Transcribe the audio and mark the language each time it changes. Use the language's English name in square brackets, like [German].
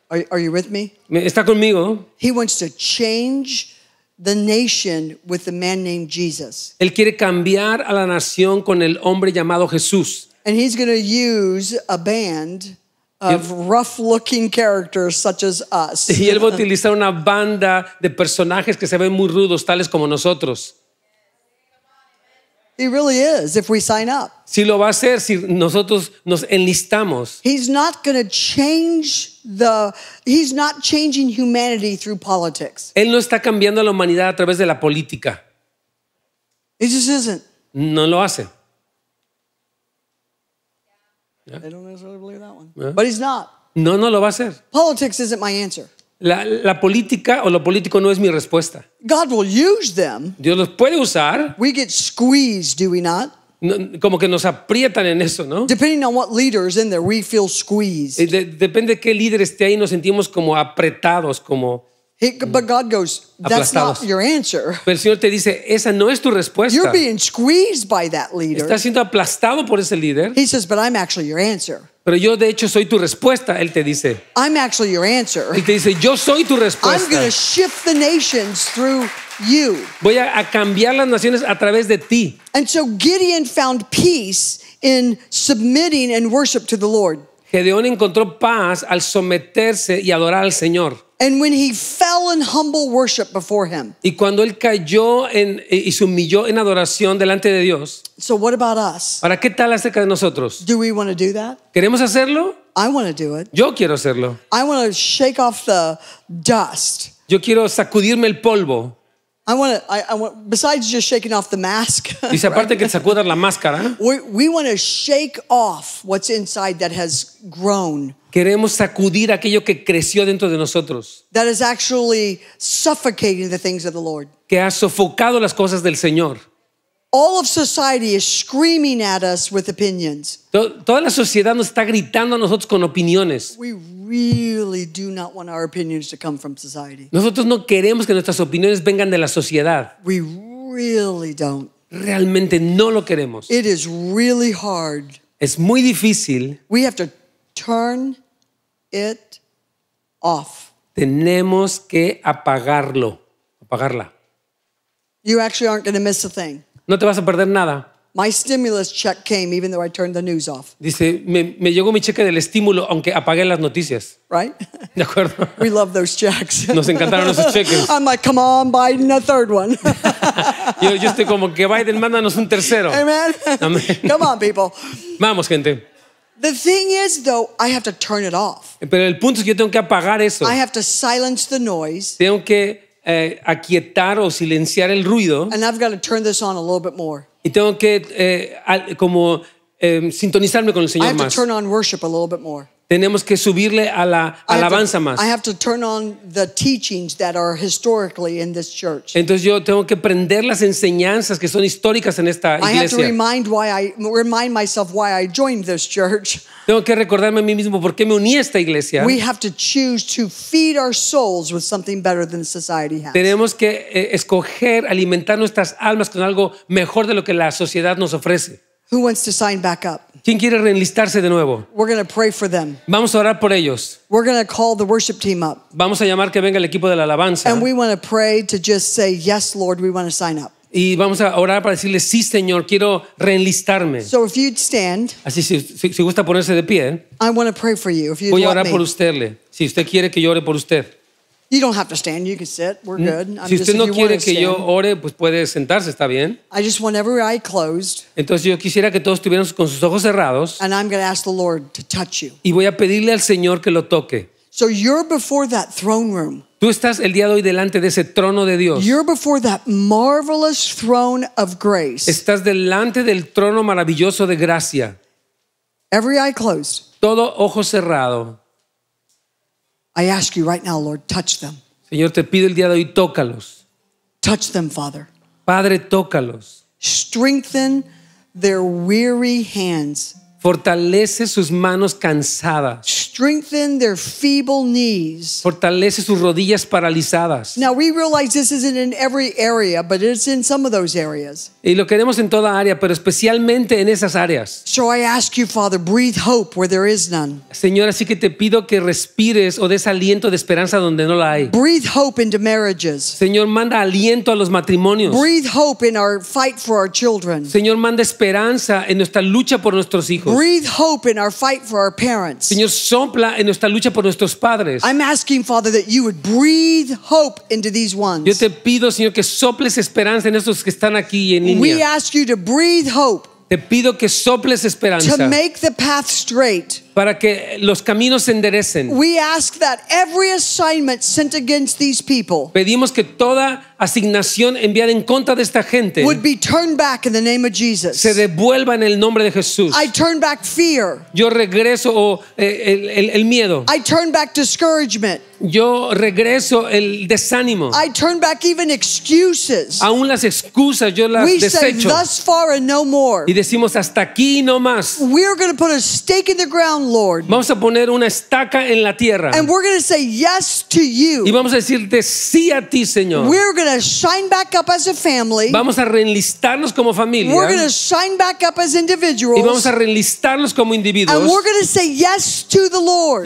[English] Are you with me? [Spanish] Está conmigo. [English] He wants to change the nation with the man named Jesus. [Spanish] Él quiere cambiar a la nación con el hombre llamado Jesús. [English] And he's going to use a band of rough-looking characters such as us. [Spanish] Y él va a utilizar una banda de personajes que se ven muy rudos, tales como nosotros. [English] He really is, if we sign up. [Spanish] Sí lo va a hacer si nosotros nos enlistamos. [English] He's not going to change he's not changing humanity through politics. [Spanish] Él no está cambiando a la humanidad a través de la política. [English] He just isn't. [Spanish] No lo hace. [English] Yeah. I don't necessarily believe that one. Yeah. But he's not. [Spanish] No lo va a hacer. [English] Politics isn't my answer. [Spanish] La política o lo político no es mi respuesta. [English] God will use them. [Spanish] Dios los puede usar. [English] We get squeezed, do we not? [Spanish] No, como que nos aprietan en eso, ¿no? [English] Depending on what leader is in there, we feel squeezed. [Spanish] Depende de qué líder esté ahí, nos sentimos como apretados, como [English] But God goes, that's not your answer. [Spanish] Pero el Señor te dice, esa no es tu respuesta. [English] You're being squeezed by that leader. [Spanish] Estás siendo aplastado por ese líder. [English] He says, but I'm actually your answer. [Spanish] Pero yo de hecho soy tu respuesta, él te dice. [English] I'm actually your answer. [Spanish] Él te dice, yo soy tu respuesta. [English] I'm going to shift the nations through you. [Spanish] Voy a cambiar las naciones a través de ti. [English] And so Gideon found peace in submitting and worship to the Lord. [Spanish] Gedeón encontró paz al someterse y adorar al Señor. [English] And when he fell in humble worship before him. [Spanish] Y cuando él cayó en y se humilló en adoración delante de Dios. [English] So what about us? [Spanish] ¿Para qué tal acerca de nosotros? [English] Do we want to do that? [Spanish] ¿Queremos hacerlo? [English] I want to do it. [Spanish] Yo quiero hacerlo. [English] I want to shake off the dust. [Spanish] Yo quiero sacudirme el polvo. [English] I want besides just shaking off the mask. [Spanish] Dice aparte que sacudas la máscara. [English] We want to shake off what's inside that has grown. [Spanish] Queremos sacudir aquello que creció dentro de nosotros. [English] That is actually suffocating the things of the Lord. [Spanish] Que ha sofocado las cosas del Señor. [English] All of society is screaming at us with opinions. [Spanish] Toda la sociedad nos está gritando a nosotros con opiniones. [English] We really do not want our opinions to come from society. [Spanish] Nosotros no queremos que nuestras opiniones vengan de la sociedad. [English] We really don't. [Spanish] Realmente no lo queremos. [English] It is really hard. [Spanish] Es muy difícil. [English] We have to turn it off. [Spanish] Tenemos que apagarlo, apagarla. [English] You actually aren't going to miss a thing. [Spanish] No te vas a perder nada. [English] My stimulus check came even though I turned the news off. [Spanish] Dice, me llegó mi cheque del estímulo aunque apagué las noticias. [English] Right? [Spanish] De acuerdo. [English] We love those checks. [Spanish] Nos encantaron esos cheques. [English] I'm like, come on, Biden, a third one. [Spanish] Yo estoy como que Biden, mándanos un tercero. [English] Amen. Amen. Come on, people. [Spanish] Vamos, gente. [English] The thing is, though, I have to turn it off. [Spanish] Pero el punto es que yo tengo que apagar eso. [English] I have to silence the noise. [Spanish] Tengo que aquietar o silenciar el ruido. [English] And I've got to turn this on a little bit more. [Spanish] Y tengo que sintonizarme con el Señor más. [English] I have [Spanish] más. [English] To turn on worship a little bit more. [Spanish] Tenemos que subirle a la alabanza más. [English] I have to turn on the teachings that are historically in this church. [Spanish] Entonces yo tengo que prender las enseñanzas que son históricas en esta iglesia. [English] I have to remind myself why I joined this church. [Spanish] Tengo que recordarme a mí mismo por qué me uní a esta iglesia. [English] We have to choose to feed our souls with something better than society has. [Spanish] Tenemos que escoger alimentar nuestras almas con algo mejor de lo que la sociedad nos ofrece. [English] Who wants to sign back up? [Spanish] ¿Quién quiere reenlistarse de nuevo? [English] We're going to pray for them. [Spanish] Vamos a orar por ellos. [English] We're going to call the worship team up. [Spanish] Vamos a llamar que venga el equipo de la alabanza. [English] And we want to pray to just say, yes, Lord, we want to sign up. [Spanish] Y vamos a orar para decirle, sí, Señor, quiero reenlistarme. [English] So if you'd stand. [Spanish] Así, si gusta ponerse de pie. [English] I want to pray for you, if you'd [Spanish] voy a orar me. Por usted, le. Si usted quiere que yo ore por usted. [English] You don't have to stand, you can sit, we're good. [Spanish] Si usted no quiere que yo ore, pues puede sentarse, está bien. [English] I just want every eye closed. [Spanish] Entonces yo quisiera que todos estuvieran con sus ojos cerrados. [English] And I'm going to ask the Lord to touch you. [Spanish] Y voy a pedirle al Señor que lo toque. [English] So you're before that throne room. [Spanish] Tú estás el día de hoy delante de ese trono de Dios. [English] You're before that marvelous throne of grace. [Spanish] Estás delante del trono maravilloso de gracia. [English] Every eye closed. [Spanish] Todo ojo cerrado. [English] I ask you right now, Lord, touch them. [Spanish] Señor, te pido el día de hoy, tócalos. [English] Touch them, Father. [Spanish] Padre, tócalos. [English] Strengthen their weary hands. [Spanish] Fortalece sus manos cansadas. [English] Strengthen their feeble knees. [Spanish] Fortalece sus rodillas paralizadas. [English] Now we realize this isn't in every area, but it's in some of those areas. [Spanish] Y lo queremos en toda área, pero especialmente en esas áreas. [English] So I ask you, Father, breathe hope where there is none. [Spanish] Señor, así que te pido que respires o des aliento de esperanza donde no la hay. [English] Breathe hope into marriages. [Spanish] Señor, manda aliento a los matrimonios. [English] Breathe hope in our fight for our children. [Spanish] Señor, manda esperanza en nuestra lucha por nuestros hijos. [English] Breathe hope in our fight for our parents. [Spanish] Señor, sopla en nuestra lucha por nuestros padres. [English] I'm asking, Father, that you would breathe hope into these ones. [Spanish] Yo te pido, Señor, que soples esperanza en estos que están aquí en línea. [English] We ask you to breathe hope. [Spanish] Te pido que soples esperanza. [English] To make the path straight. [Spanish] Para que los caminos se enderecen. [English] We ask that every assignment sent against these people. [Spanish] Pedimos que toda asignación enviada en contra de esta gente. [English] Would be turned back in the name of Jesus. [Spanish] Se devuelva en el nombre de Jesús. [English] I turn back fear. [Spanish] Yo regreso el miedo. [English] I turn back discouragement. [Spanish] Yo regreso el desánimo. [English] I turn back even excuses. [Spanish] Aún las excusas yo las [English] we [Spanish] desecho. [English] Say, thus far and no more. [Spanish] Y decimos hasta aquí y no más. [English] We're going to put a stake in the ground. down, Lord. [Spanish] Vamos a poner una estaca en la tierra. [English] And we're going to say yes to you. [Spanish] Y vamos a decirte sí a ti, Señor. [English] We're going to shine back up as a family. [Spanish] Vamos a reenlistarnos como familia. [English] We're going to shine back up as individuals. [Spanish] Y vamos a reenlistarnos como individuos. [English] And we're going to say yes to the Lord.